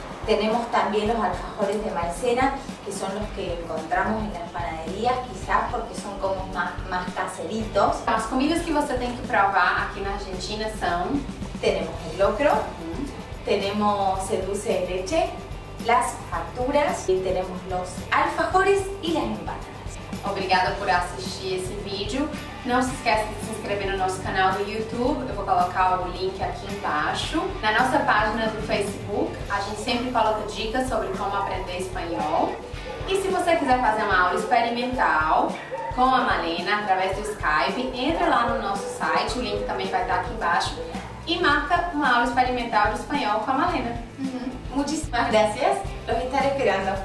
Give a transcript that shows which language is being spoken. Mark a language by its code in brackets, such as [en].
[es] Tenemos también los alfajores de maicena, que son los que encontramos en las panaderías, quizás porque son como más caseritos. Las comidas que usted tiene que probar aquí en Argentina son... Tenemos el locro, tenemos el dulce de leche, las facturas y tenemos los alfajores y las empanadas. [pt] Obrigada por assistir esse vídeo. Não se esquece de se inscrever no nosso canal do YouTube. Eu vou colocar o link aqui embaixo. Na nossa página do Facebook, a gente sempre coloca dicas sobre como aprender espanhol. E se você quiser fazer uma aula experimental com a Malena através do Skype, entra lá no nosso site, o link também vai estar aqui embaixo, e marca uma aula experimental de espanhol com a Malena. [es] Muchísimas gracias. Los estaré esperando.